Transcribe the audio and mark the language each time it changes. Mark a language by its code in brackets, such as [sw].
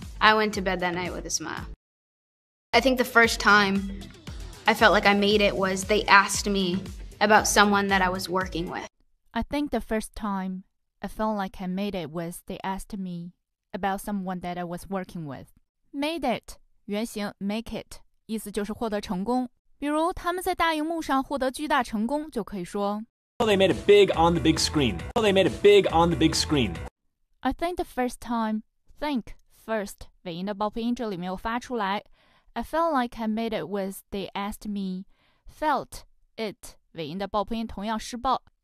[en] I went to bed that night with a smile. I think the first time I felt like I made it was they asked me about someone that I was working with. I think the first time I felt like I made it was they asked me about someone that I was working with. [zh] Made it, 原型 make it, 意思就是获得成功。比如他们在大荧幕上获得巨大成功就可以说 [en] Well, they made it big on the big screen. Well, they made it big on the big screen. I think the first time, [zh] think, first, 尾音的爆破音这里没有发出来。 [en] I felt like I made it was they asked me, [zh] felt it, 尾音的爆破音同样失爆。